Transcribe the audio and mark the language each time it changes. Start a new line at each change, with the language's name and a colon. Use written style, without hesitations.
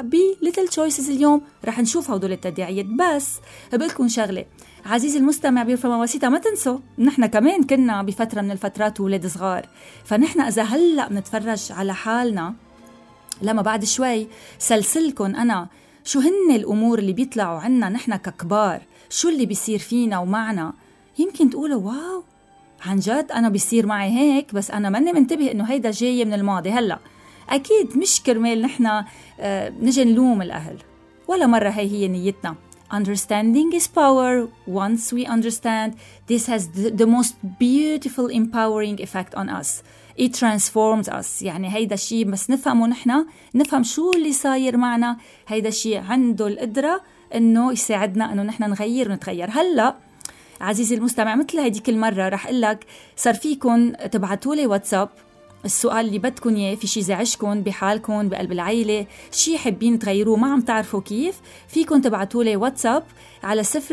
Arabic: بي ليتل تشويسز اليوم رح نشوف هدول التداعيات. بس بقلكن شغله عزيزي المستمع بيرفع مواسيطة, ما تنسوا نحن كمان كنا بفترة من الفترات ولاد صغار, فنحن إذا هلأ نتفرج على حالنا لما بعد شوي سلسلكن أنا شو هن الأمور اللي بيطلعوا عنا نحن ككبار شو اللي بيصير فينا ومعنا, يمكن تقولوا واو عن جد أنا بيصير معي هيك بس أنا ماني منتبه إنه هيدا جاي من الماضي. هلأ أكيد مش كرمال نحن نجي نلوم الأهل ولا مرة, هي هي نيتنا.
English: Understanding is power. Once we understand, this has the most beautiful empowering effect on us. It transforms us.
Arabic: يعني هيدا الشيء بس نفهمه نحنا, نفهم شو اللي صاير معنا, هيدا الشيء عنده القدرة انه يساعدنا انه نحنا نغير ونتغير. هلأ عزيزي المستمع مثل هيديك المرة رح قلك صار فيكن تبعتولي واتساب السؤال اللي بدكن ياه, في شي زعجكن بحالكن بقلب العيلة, شي حابين تغيروه ما عم تعرفوا كيف, فيكن تبعتولي واتساب على 03-000-933.